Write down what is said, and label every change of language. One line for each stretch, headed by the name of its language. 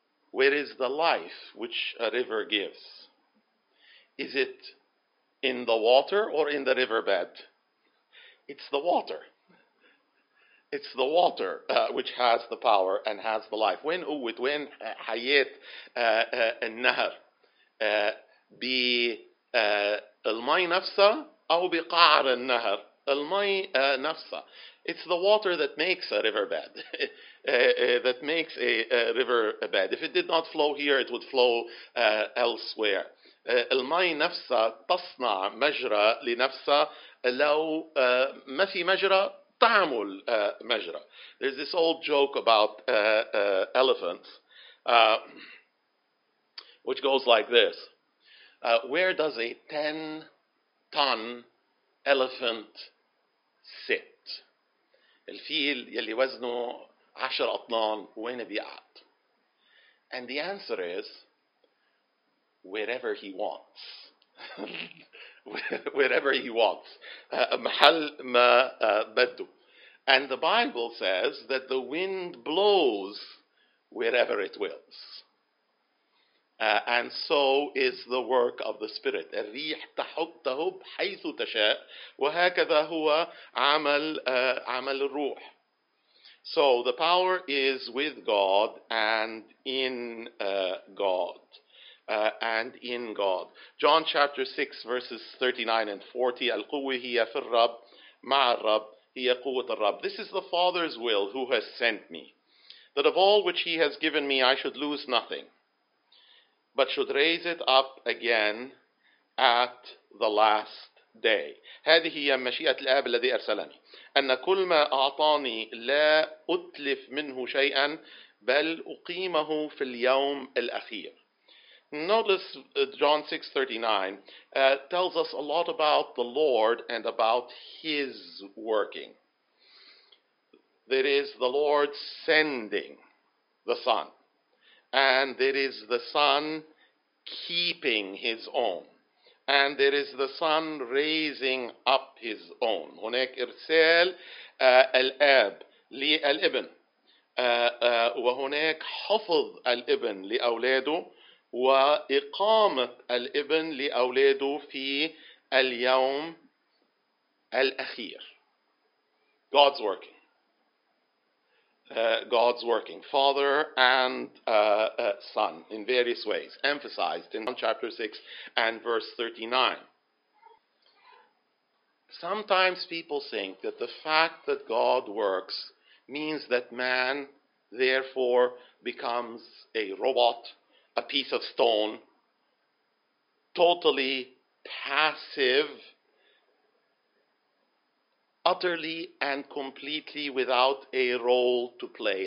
English: Where is the life which a river gives? Is it in the water or in the riverbed? It's the water. It's the water which has the power and has the life.
Arabic: وين قوة وين حياة النهر بالمي نفسه أو بقعر النهر المي نفسه.
English: It's the water that makes a riverbed that makes a riverbed. If it did not flow here, it would flow elsewhere.
Arabic: المي نفسه تصنع مجرى لنفسه لو ما في مجرى تعمل مجرى.
English: There's this old joke about elephants, which goes like this. Where does a 10-ton elephant sit?
Arabic: الفيل يلي وزنه 10 أطنان وين بيقعد؟
English: And the answer is, wherever he wants. Wherever he wants.
Arabic: محل ما بده.
English: And the Bible says that the wind blows wherever it wills. And so is the work of the Spirit.
Arabic: الريح تحب تهب حيث تشاء وهكذا هو عمل الروح.
English: So the power is with God and in God. And in God. John chapter 6 verses 39 and 40.
Arabic: القوة هي في الرب مع الرب.
English: This is the Father's will who has sent me, that of all which he has given me I should lose nothing, but should raise it up again at the last day.
Arabic: هذه هي مشيئة الآب الذي أرسلني أن كل ما أعطاني لا أتلف منه شيئا بل أقيمه في اليوم الأخير.
English: Notice John 6:39 tells us a lot about the Lord and about His working. There is the Lord sending the Son, and there is the Son keeping His own, and there is the Son raising up His own. هناك إرسال الآب للابن وهناك حفظ الابن لأولاده وإقامة الابن لأولاده في اليوم الأخير. God's working. God's working, Father and Son, in various ways, emphasized in chapter 6 and verse 39. Sometimes people think that the fact that God works means that man, therefore, becomes a robot, a piece of stone, totally passive, utterly and completely without a role to play.